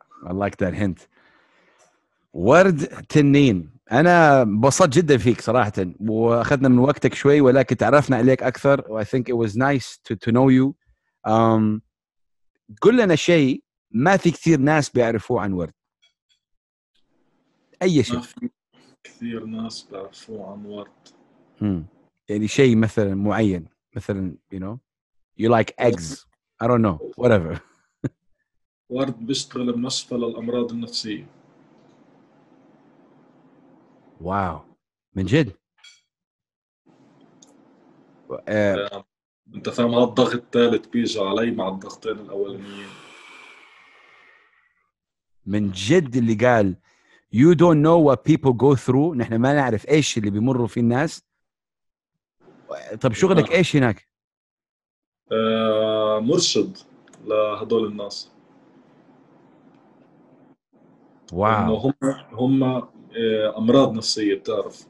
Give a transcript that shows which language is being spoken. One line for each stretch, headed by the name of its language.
English: I like that hint
Arabic: ورد تنين انا بسط جدا فيك صراحة واخذنا من وقتك شوي ولكن تعرفنا عليك اكثر
English: I think it was nice to know you
Arabic: قل لنا شيء ما في كثير ناس بيعرفوه عن ورد اي شيء كثير ناس بيعرفوه عن ورد يعني شيء مثلا معين مثلا
English: you know you like eggs I don't know whatever
Arabic: ورد بيشتغل بمشفى للأمراض النفسية واو من جد انت فاهم هذا الضغط الثالث بيجي علي مع الضغطين الأولانيين من جد اللي قال
English: You don't know what people go through.
Arabic: نحن ما نعرف إيش اللي بيمروا فيه الناس. طب شغلك إيش هناك؟ مرشد لهدول الناس. واو. هم أمراض نفسية بتعرف.